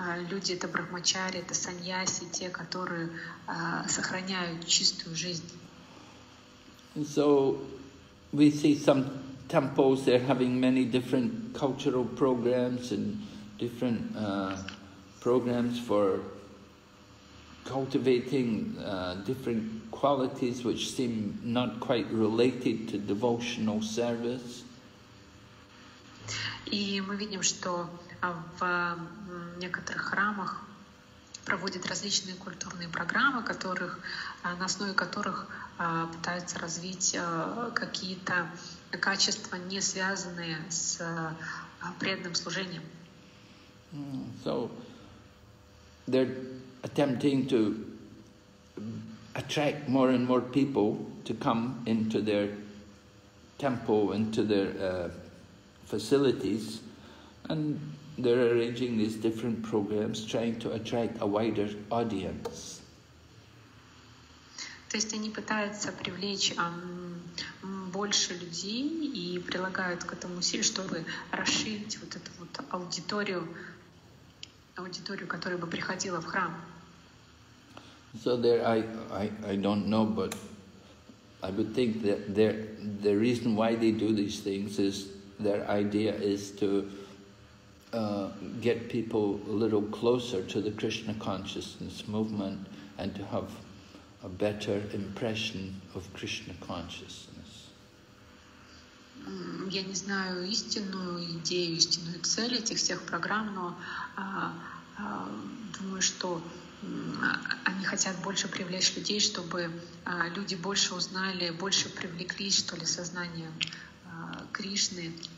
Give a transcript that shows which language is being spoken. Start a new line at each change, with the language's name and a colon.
Russian: Люди, это брахмачари, это саньяси, те, которые сохраняют чистую жизнь.
English: So, we see some temples, they're having many different cultural programs and different programs for cultivating different qualities which seem not quite related to devotional service.
Russian: И мы видим, что в некоторых храмах проводят различные культурные программы, которых, на основе которых пытаются развить какие-то качества, не связанные с преданным служением.
English: So they're attempting to attract more and more people to come into their temple, into their facilities, and they're arranging these different programs, trying to attract a wider audience.
Russian: То есть они пытаются привлечь больше людей и прилагают к этому усилия, чтобы расширить вот эту вот аудиторию, которая бы приходила в храм.
English: So there, I don't know, but I would think that the reason why they do these things is their idea is to get people a little closer to the Krishna consciousness movement and to have a better impression of Krishna consciousness.
Russian: Я не знаю истинную идею, истинную цель этих всех программ, но думаю, что они хотят больше привлечь людей, чтобы люди больше узнали, больше привлеклись, что ли, сознанием Кришны.